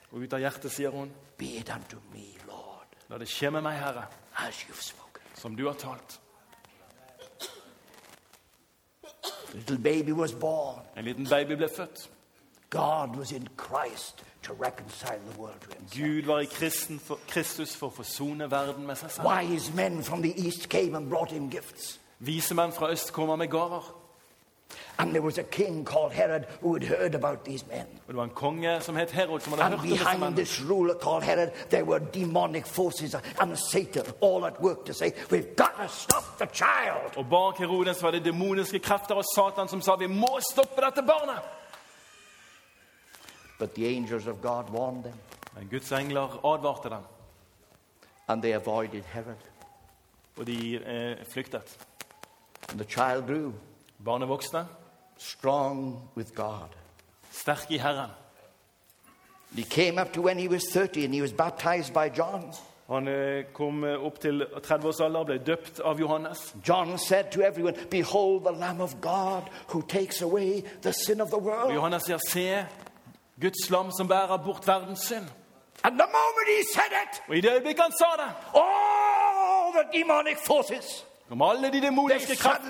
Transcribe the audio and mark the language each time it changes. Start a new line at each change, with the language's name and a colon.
Norwegian: Og ut av hjertet sier hun,
English: Be them to me, Lord.
Norwegian: La det skje med meg, Herre.
English: As you've spoken.
Norwegian: Som du har talt.
English: A little baby was born.
Norwegian: En liten baby ble født.
English: God was in Christ to reconcile the world to himself.
Norwegian: Gud var i Kristus for å forsone verden med seg selv.
English: Wise men from the east came and brought him gifts.
Norwegian: Vise menn fra øst kom med gaver.
English: And there was a king called Herod who had heard about these men.
Norwegian: Det var en konge som het Herod som hadde hørt om disse mennene.
English: And behind this ruler called Herod, there were demonic forces and Satan all at work to say, "We've got to stop the child."
Norwegian: Og bak Heroden så var det demoniske krefter og Satan som sa, "Vi må stoppe dette barnet."
English: But the angels of God warned them.
Norwegian: Men Guds engler advarte dem.
English: And they avoided Herod.
Norwegian: Og de flyktet.
English: And the child grew.
Norwegian: Barnet vokste.
English: Strong with God.
Norwegian: Sterk I Herren.
English: He came up to when he was 30 and he was baptized by John.
Norwegian: Han kom opp til 30 års alder og ble døpt av Johannes.
English: John said to everyone, "Behold the Lamb of God who takes away the sin of the world."
Norwegian: Johannes sier, "Se Guds lam som bærer bort verdens synd."
English: And the moment he said it,
Norwegian: og I det øyeblikket han sa det,
English: all the demonic forces,
Norwegian: om alle de demoniske kraftene,